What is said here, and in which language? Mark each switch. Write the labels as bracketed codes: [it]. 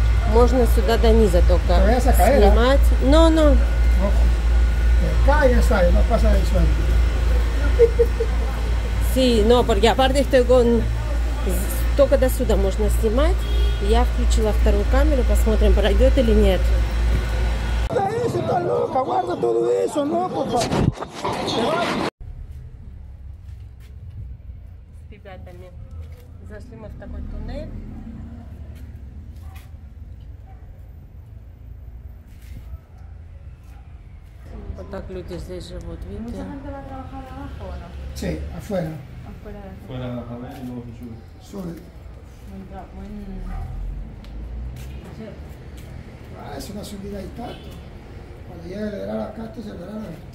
[ru] Можно сюда до низа только снимать. [es] Caer, а? Но. Cae, sale, no pasa el suelo. Sí, no, porque aparte estoy con... [ru] Только до сюда можно снимать. Я включила вторую камеру, посмотрим, пройдет или нет. [es] Да eso, está loca, guarda todo eso, no, por favor. [ru] зашли мы в такой туннель. Вот так люди здесь живут, видите? [es] Sí, afuera. Fuera de la favela y luego se sube. Sube. Buen... Ah, es una subida y tanto. Cuando llega el verano acá, esto es el verano.